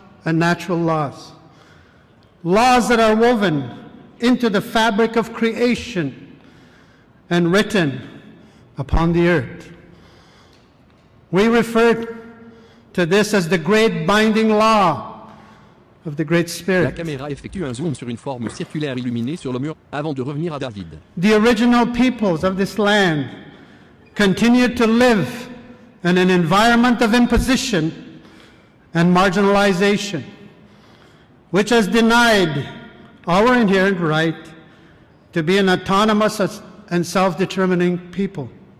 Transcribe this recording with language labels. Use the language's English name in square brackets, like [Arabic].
[English] and natural laws. Laws that are woven into the fabric of creation and written upon the earth. We refer to this as the great binding law of the great spirit. [French] La caméra effectue un zoom sur une forme circulaire illuminée sur le mur avant de revenir à David. [English] The original peoples of this land continued to live in an environment of imposition and marginalization, which has denied our inherent right to be an autonomous and self-determining people.